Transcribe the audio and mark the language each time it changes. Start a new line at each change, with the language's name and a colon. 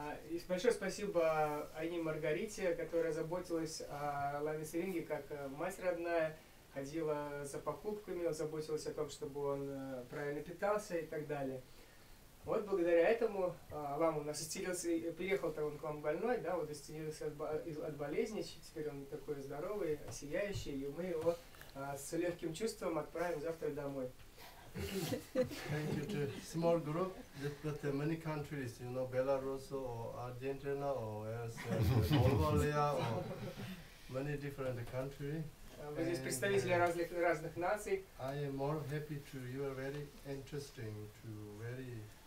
Russian: И большое спасибо Айне Маргарите, которая заботилась о Ламе Сиринке как мать родная, ходила за покупками, заботилась о том, чтобы он правильно питался и так далее. Вот благодаря этому Лама у нас исцелился, приехал-то он к вам больной, да, вот исцелился от болезни, теперь он такой здоровый, сияющий, и мы его с легким чувством отправим завтра домой.
English: Thank you to small group, but many countries, you know, Belarus or Argentina or else Mongolia or many different countries.
Russian: Вы здесь представители разных наций.
English: I am more happy to you are very interesting to very